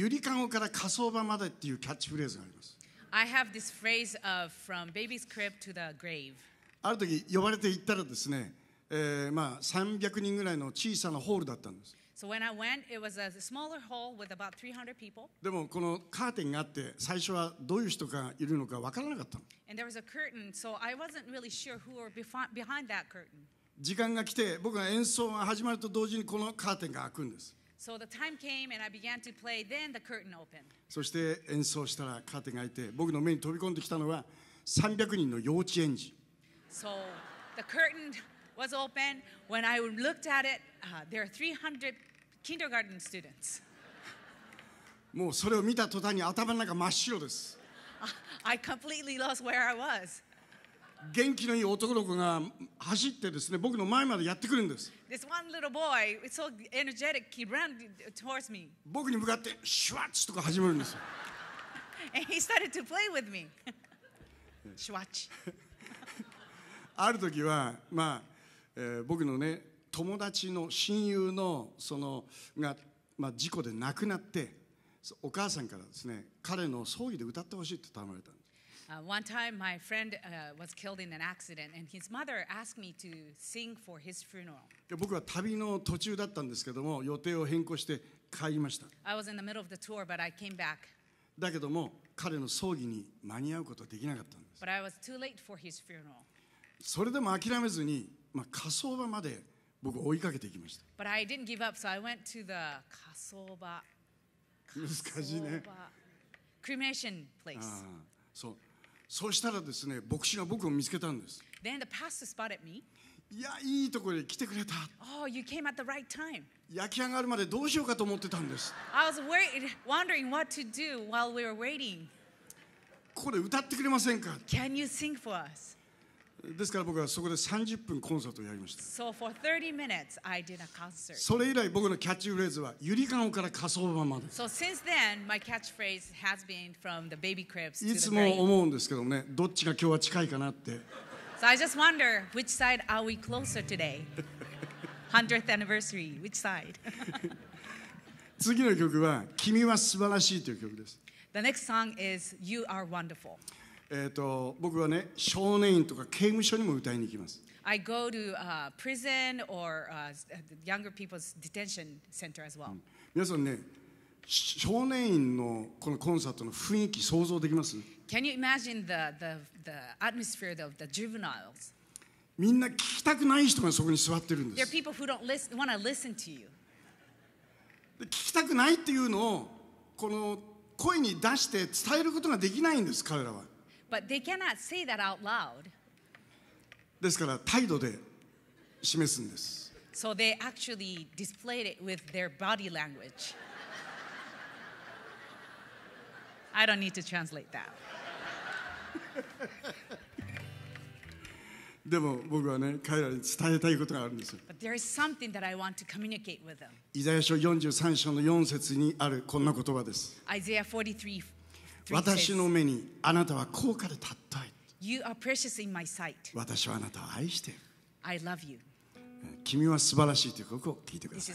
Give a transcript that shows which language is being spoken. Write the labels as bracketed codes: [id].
[ja] ゆりかごから火葬場までっていうキャッチフレーズがあります。 [en] I have this phrase of from baby's crib to the grave. [ja] ある時呼ばれて行ったらですね、300人ぐらいの小さなホールだったんです。 [en] So when I went, it was a smaller hall with about 300 people. [ja] でもこのカーテンがあって、最初はどういう人がいるのか分からなかったの。 [en] And there was a curtain, so I wasn't really sure who were behind that curtain. [ja] 時間が来て、僕が演奏が始まると同時にこのカーテンが開くんです。 [en] So the time came and I began to play, then the curtain opened. [ja] そして演奏したらカーテンが開いて、僕の目に飛び込んできたのは300人の幼稚園児。 [en] So the curtain was open. When I looked at it, there are 300 kindergarten students. [ja] もうそれを見た途端に頭の中真っ白です。 [en] I completely lost where I was. [ja] 元気のいい男の子が走ってですね、僕の前までやってくるんです。 [en] This one little boy, so energetic, he ran towards me. [ja] 僕に向かってシュワッチとか始まるんです。 [en] And he started to play with me. シュワッチ。 [ja] ある時は、まあ、僕のね、友達の親友のそのが、まあ、事故で亡くなって、お母さんからですね、彼の葬儀で歌ってほしいって頼まれたんです。 [en] One time, my friend was killed in an accident, and his mother asked me to sing for his funeral. [ja] 僕は旅の途中だったんですけども、予定を変更して帰りました。 [en] I was in the middle of the tour, but I came back. [ja] だけども、彼の葬儀に間に合うことはできなかったんです。 [en] But I was too late for his funeral. [ja] それでも諦めずに、まあ、火葬場まで僕追いかけていきました。 [en] But I didn't give up, so I went to the 火葬場。 [ja] 難しいね。火葬 [en] 場。Cremation place. [ja] そう。 [en] そしたらですね、牧師が僕を見つけたんです。 [ja] Then the pastor spotted me. [en] いや、いいところに来てくれた。 [ja] Oh, you came at the right time. [en] 焼き上がるまでどうしようかと思ってたんです。 [ja] I was wondering what to do while we were waiting. [en] ここで歌ってくれませんか? [ja] Can you sing for us? [en] ですから僕はそこで30分コンサートをやりました。 [ja] So for 30 minutes, I did a concert. [en] それ以来僕のキャッチフレーズはゆりかごから火葬場まで。 [ja] So since then, my catchphrase has been from the baby cribs to the grave. いつも思うんですけどもね、どっちが今日は近いかなって。 [en] So I just wonder which side are we closer today? 100th anniversary, which side? [ja] 次の曲は君は素晴らしいという曲です。 [en] The next song is You Are Wonderful. [ja] 僕はね、少年院とか刑務所にも歌いに行きます。 [en] I go to prison or younger people's detention center as well. [ja] 皆さんね、少年院のこのコンサートの雰囲気想像できます? [en] Can you imagine the atmosphere of the juveniles? [ja] みんな聞きたくない人がそこに座ってるんです。 [en] There are people who don't want to listen to you. [ja] 聞きたくないっていうのをこの声に出して伝えることができないんです、彼らは。 [en] But they cannot say that out loud. [ja] ですから態度で示すんです。 [en] So they actually displayed it with their body language. I don't need to translate that. [ja] でも僕はね、彼らに伝えたいことがあるんですよ。 [en] But there is something that I want to communicate with them. [ja] イザヤ書43章の4節にあるこんな言葉です。 [en] Isaiah 43. [ja] 私の目にあなたは高価で尊い。 [en] You are precious in my sight. [ja] 私はあなたを愛している。 [en] I love you. [ja] 君は素晴らしいという曲を聴いてください。